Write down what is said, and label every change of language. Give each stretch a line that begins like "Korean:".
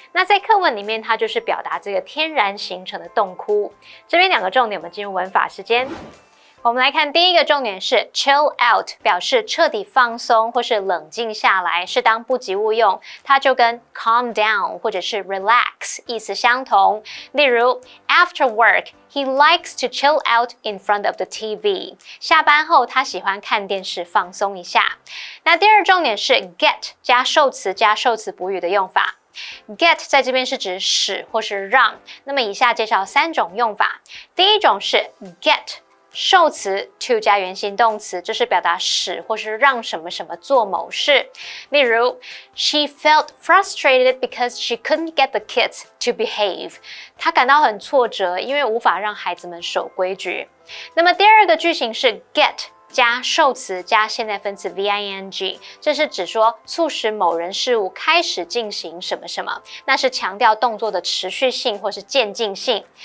Chinese: 那在课文里面，它就是表达这个天然形成的洞窟。这边两个重点，我们进入文法时间。我们来看第一个重点是 chill out， 表示彻底放松或是冷静下来，是当不及物用。它就跟 calm down 或者是 relax 意思相同。例如
English: ，After work, he likes to chill out in front of the TV。
Chinese: 下班后，他喜欢看电视放松一下。那第二重点是 get 加受词加受词补语的用法。 Get 在这边是指使或是让。那么以下介绍三种用法。第一种是 get。受词 to 加原形动词，这是表达使或是让什么什么做某事。例如
English: ，She felt frustrated because she couldn't get the kids to behave。
Chinese: 她感到很挫折，因为无法让孩子们守规矩。那么第二个句型是 get 加受词加现在分词 ving， 这是指说促使某人事物开始进行什么什么，那是强调动作的持续性或是渐进性。